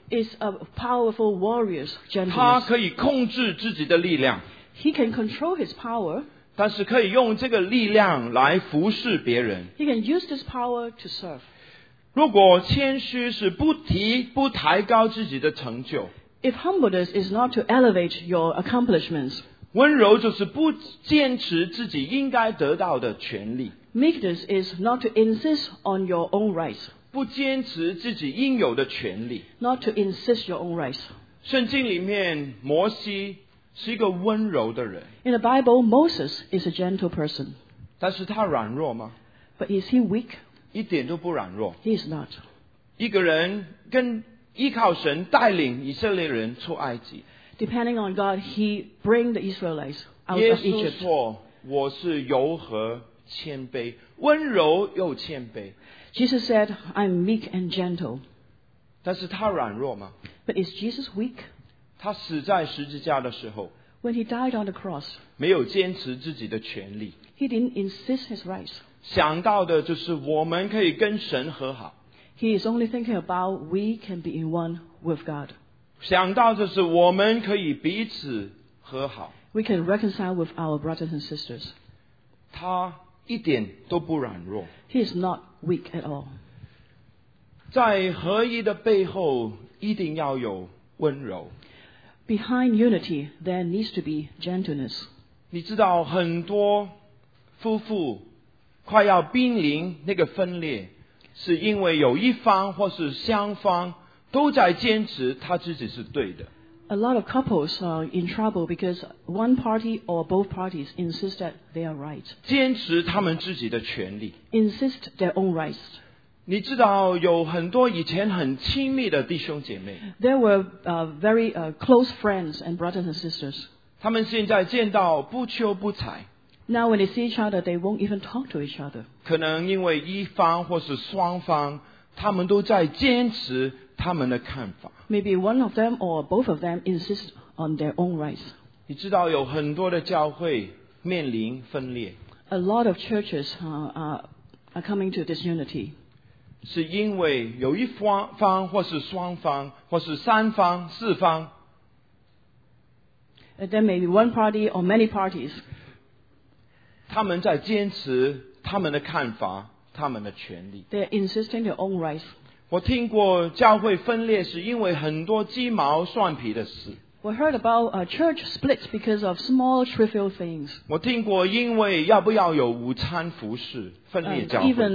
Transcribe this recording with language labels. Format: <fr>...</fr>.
<en>Is a powerful warrior's gentleness.</en> <zh>他可以控制自己的力量。</zh> <en>He can control his power.</en> <zh>但是可以用这个力量来服侍别人。</zh> <en>He can use this power to serve.</en> <zh>如果谦虚是不提不抬高自己的成就，</zh> <en>If humbleness is not to elevate your accomplishments,</en> <zh>温柔就是不坚持自己应该得到的权利。</zh> <en>Meekness is not to insist on your own rights.</en> <zh>不坚持自己应有的权利。</zh> <en>Not to insist your own rights.</en> <zh>圣经里面，摩西是一个温柔的人。</zh> <en>In the Bible, Moses is a gentle person.</en> <zh>但是他软弱吗？</zh> <en>But is he weak?</en> <zh>一点都不软弱。</zh> <en>He is not.</en> <zh>一个人跟依靠神带领以色列人出埃及。</zh> <en>Depending on God, he bring the Israelites out of Egypt.</en> <zh>耶稣说，我是柔和谦卑，温柔又谦卑。</zh> <en>Jesus said, I'm meek and gentle.</en> <zh>但是他软弱吗？</zh> <en>But is Jesus weak?</en> <zh>他死在十字架的时候，</zh> <en>When he died on the cross,</en> <zh>没有坚持自己的权利。</zh> <en>He didn't insist his rights.</en> <zh>想到的就是我们可以跟神和好。</zh> <en>He is only thinking about we can be in one with God.</en> <zh>想到的是我们可以彼此和好。</zh> <en>We can reconcile with our brothers and sisters.</en> <zh>他一点都不软弱。</zh> <en>He is not weak at all.</en> <zh>在合一的背后一定要有温柔。</zh> <en>Behind unity, there needs to be gentleness.</en> <zh>你知道很多夫妇快要濒临那个分裂，是因为有一方或是双方都在坚持他自己是对的。</zh> <en>A lot of couples are in trouble because one party or both parties insist that they are right.</en> <zh>坚持他们自己的权利。</zh> <en>Insist their own rights.</en> <zh>你知道有很多以前很亲密的弟兄姐妹。</zh> <en>There were very close friends and brothers and sisters.</en> <zh>他们现在见到不求不睬。</zh> <en>Now when they see each other, they won't even talk to each other.</en> <zh>可能因为一方或是双方，他们都在坚持他们的看法。</zh> <en>Maybe one of them or both of them insist on their own rights.</en> <zh>你知道有很多的教会面临分裂。</zh> <en>A lot of churches are coming to disunity.</en> <zh>是因为有一方或是双方或是三方四方。</zh> <en>There may be one party or many parties.</en> <zh>他们在坚持他们的看法，他们的权利。</zh> <en>They are insisting their own rights.</en> <zh>我听过教会分裂是因为很多鸡毛蒜皮的事。</zh> <en>We heard about a church split because of small trivial things.</en> <zh>我听过因为要不要有午餐服事分裂教会。</zh>